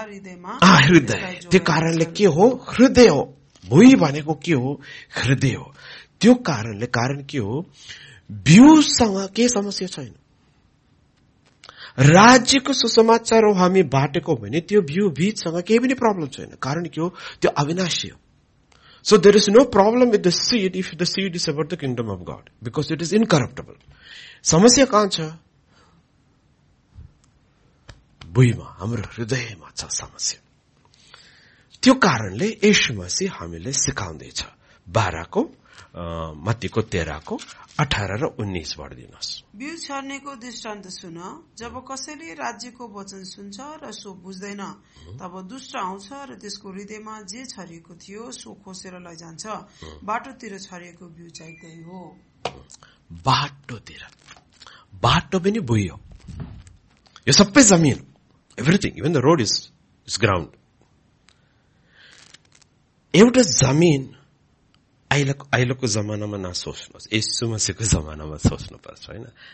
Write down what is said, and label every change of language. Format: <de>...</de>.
<ne>हृदयमा. हृदय त्यो कारणले के हो? हृदय हो. भुइँ भनेको के हो? हृदय हो. त्यो कारणले कारण के हो? भ्यूसँग के समस्या छैन. राज्यको सुसमाचार हो हामी बाटेको भने त्यो भ्यू भीजसँग केही पनि प्रब्लम छैन. कारण के हो? त्यो अविनाशी हो.</ne> <en>So there is no problem with the seed if the seed is about the kingdom of God because it is incorruptible.</en> <ne>Samasya kancha buima hamro hriday ma cha samasya. Tyo karan le Yeshu Masi hamile sikaundai cha. 12 ko Matthew ko 13 ko 18 ra 19 bad dinus. Biu charne ko drishtant suna jab kasale rajya ko bachan suncha ra so bujhdaina तब दुष्ट आउँछ र त्यसको हृदयमा जे छरिएको थियो so खोसेर लैजान्छ. बाटोतिर छरिएको बिउ चाहिँ त्यही हो. बाटोतिर, बाटो पनि भुइँ हो. यो सबै जमिन,</ne> <en>Everything, even the road is ground.</en> <ne>एउटा जमिन अहिलेको जमानामा नसोच्नुहोस्, यसु मसीको जमानामा सोच्नुपर्छ होइन.</ne>